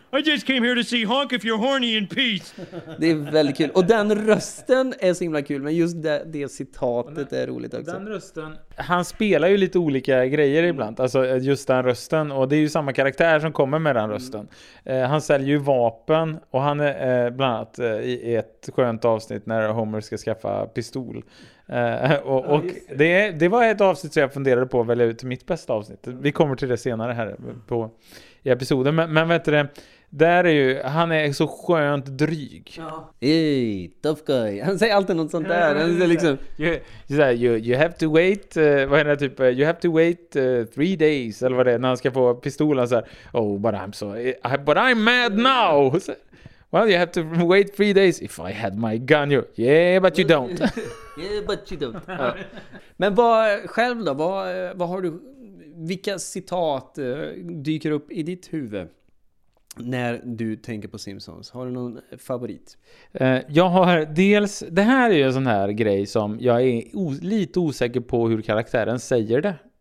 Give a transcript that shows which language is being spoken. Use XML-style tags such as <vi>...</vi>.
<en>I just came here to see Honk If You're Horny in peace!</en> <sv>Det är väldigt kul. Och den rösten är så himla kul. Men just det citatet är roligt också. Den rösten... Han spelar ju lite olika grejer ibland. Alltså just den rösten. Och det är ju samma karaktär som kommer med den rösten. Han säljer ju vapen. Och han är bland annat i ett skönt avsnitt när Homer ska skaffa pistol. Och det var ett avsnitt som jag funderade på att välja ut mitt bästa avsnitt. Vi kommer till det senare här på... i episoden, men vet du det, där är ju, han är så skönt dryg.</sv> <en>Ja. Hey, tough guy.</en> <sv>Han säger alltid något sånt där. Han säger liksom,</sv> <en>you have to wait,</en> <sv>vad är det typ,</sv> <en>you have to wait 3 days,</en> <sv>eller vad det är, när han ska få pistolen så här,</sv> <en>oh, but I'm so, but I'm mad now. Så, well, you have to wait 3 days if I had my gun, you, yeah, but you don't. Yeah, but you don't. Ja.</en> <sv>Men vad, själv då, vad har du, vilka citat dyker upp i ditt huvud när du tänker på Simpsons? Har du någon favorit? Jag har dels... Det här är ju en sån här grej som jag är lite osäker på hur karaktären säger det.</sv>